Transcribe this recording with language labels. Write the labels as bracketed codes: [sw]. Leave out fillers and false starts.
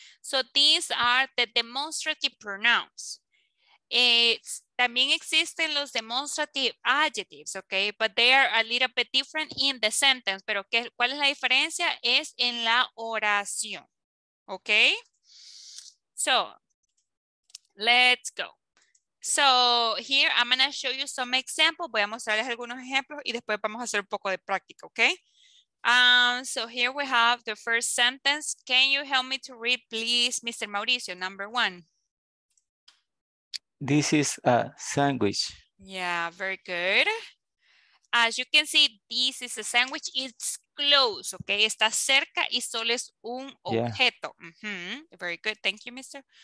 [en] So these are the demonstrative pronouns. [es] También existen los [en] demonstrative adjectives, okay? But they are a little bit different in the sentence. [es] Pero ¿cuál es la diferencia? Es en la oración, okay? [en] So let's go. So here I'm going to show you some examples. [es] Voy a mostrarles algunos ejemplos y después vamos a hacer un poco de práctica, okay? [en] So here we have the first sentence. Can you help me to read, please, Mr. Mauricio, number one? This is a sandwich. Yeah, very good. As you can see, this is a sandwich. It's close, okay? [es] Está cerca y solo es un objeto. [en] Yeah. Mm-hmm. Very good. Thank you, Mr.